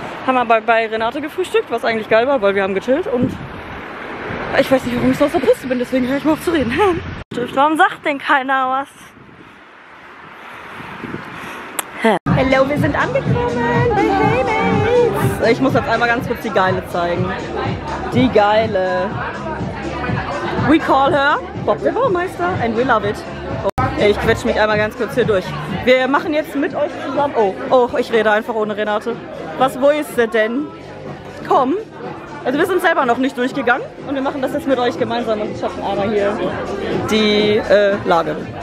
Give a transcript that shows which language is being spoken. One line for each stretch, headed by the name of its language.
German: Haben aber bei Renate gefrühstückt, was eigentlich geil war, weil wir haben gechillt. Und ich weiß nicht, warum ich so aus der Brust bin, deswegen höre ich mal auf zu reden. Warum sagt denn keiner was? Hallo, wir sind angekommen bei Hey Mates. Ich muss jetzt einmal ganz kurz die Geile zeigen. Die Geile.
English: We call her Bob the Baumeister and we love it.
German: Ich quetsche mich einmal ganz kurz hier durch. Wir machen jetzt mit euch zusammen. Oh, ich rede einfach ohne Renate. Was, wo ist sie denn? Komm. Also wir sind selber noch nicht durchgegangen und wir machen das jetzt mit euch gemeinsam und schaffen einmal hier die Lage.